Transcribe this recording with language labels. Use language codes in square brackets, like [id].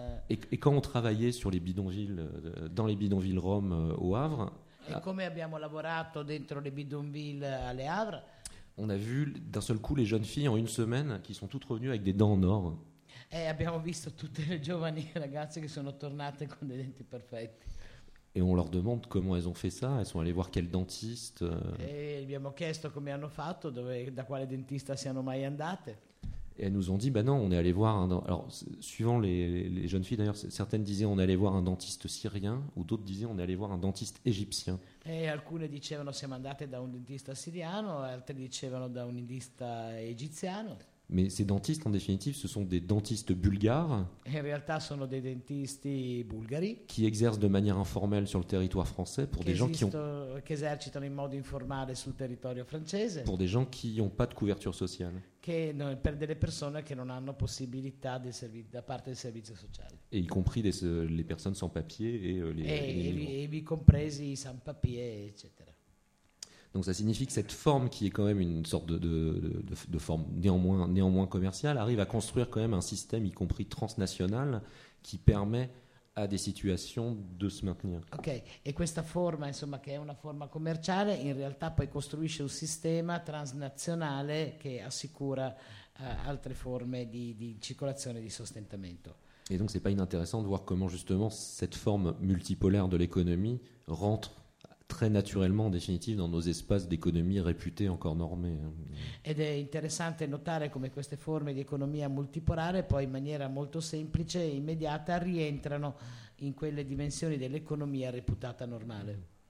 [fr] E quand on travaillait sur les bidonvilles dans les bidonvilles Rome au Havre, [it] e come abbiamo lavorato dentro le bidonvilles a Le Havre, [fr] on a vu d'un seul coup les jeunes filles en une semaine qui sont toutes revenues avec des dents en or. [it] E abbiamo visto tutte le giovani ragazze che sono tornate con dei denti perfetti. [fr] Et on leur demande comment elles ont fait ça. Elles sont allées voir quel dentiste. [it] Et abbiamo chiesto come hanno fatto, dove, da quale dentista siano mai andate. [fr] Et elles nous ont dit, on est allé voir. Alors, suivant les jeunes filles, d'ailleurs, certaines disaient on est allé voir un dentiste syrien, ou d'autres disaient on est allé voir un dentiste égyptien. [it] Et alcune dicevano siamo andate da un dentista siriano, altre dicevano da un dentista egiziano. [fr] Mais ces dentistes, en définitive, ce sont des dentistes bulgares. [it] En realtà sono dei dentisti bulgari. [fr] Qui exercent de manière informelle sur le territoire français pour des gens qui ont. [it] Che esercitano in modo informale sul territorio francese. [fr] Pour des gens qui n'ont pas de couverture sociale. [it] Che non, per delle persone che non hanno possibilità di da parte del servizio sociale. [fr] Et y compris les personnes sans papier et les. [it] Et compresi i sans papier, etc. [fr] Donc ça signifie que cette forme, qui est quand même une sorte de forme néanmoins commerciale, arrive à construire quand même un système, y compris transnational, qui permet à des situations de se maintenir. [it] Ok, et questa forma, insomma, che è una forma commerciale, in realtà poi costruisce un sistema transnazionale che assicura altre forme di circolazione, di sostentamento. [fr] Et donc c'est pas inintéressant de voir comment justement cette forme multipolaire de l'économie rentre très naturellement, en définitive, dans nos espaces d'économie réputés encore normés. [it] Ed è interessante notare come queste forme di economia multipolare, poi in maniera molto semplice e immediata, rientrano in quelle dimensioni dell'economia reputata normale.